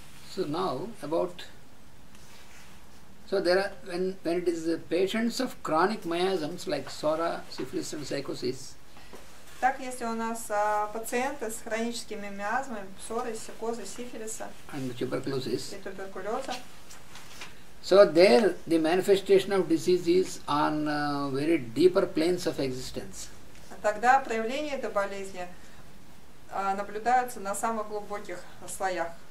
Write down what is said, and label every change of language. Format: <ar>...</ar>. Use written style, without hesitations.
<en>So now about, so there are, when it is the patients of chronic miasms like psora, syphilis and psychosis.</en> <ru>Так, если у нас пациенты с хроническими миазмами, псоры, сикозы, сифилиса</ru> <en>and tuberculosis.</en> <ru>И туберкулеза.</ru> <en>So there the manifestation of disease is on very deeper planes of existence.</en> <ru>А тогда проявление этой болезни наблюдаются на самых глубоких слоях.</ru>